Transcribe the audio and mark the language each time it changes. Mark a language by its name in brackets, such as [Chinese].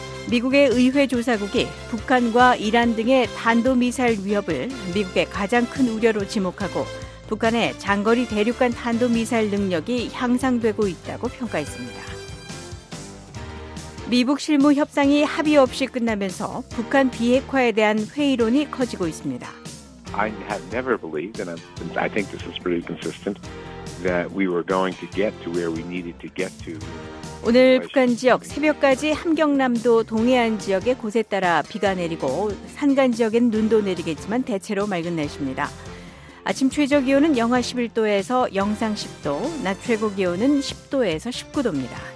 [Korean] 미국의 의회 조사국이 북한과 이란 등의 탄도미사일 위협을 미국의 가장 큰 우려로 지목하고 북한의 장거리 대륙간 탄도미사일 능력이 향상되고 있다고 평가했습니다. 미북 실무 협상이 합의 없이 끝나면서 북한 비핵화에 대한 회의론이 커지고 있습니다. [English] I have never believed, and I think this is pretty consistent, that we were going to get to where we needed to get to. [Korean] 오늘 북한 지역 새벽까지 함경남도 동해안 지역에 곳에 따라 비가 내리고 산간 지역엔 눈도 내리겠지만 대체로 맑은 날씨입니다. 아침 최저 기온은 영하 11도에서 영상 10도, 낮 최고 기온은 10도에서 19도입니다.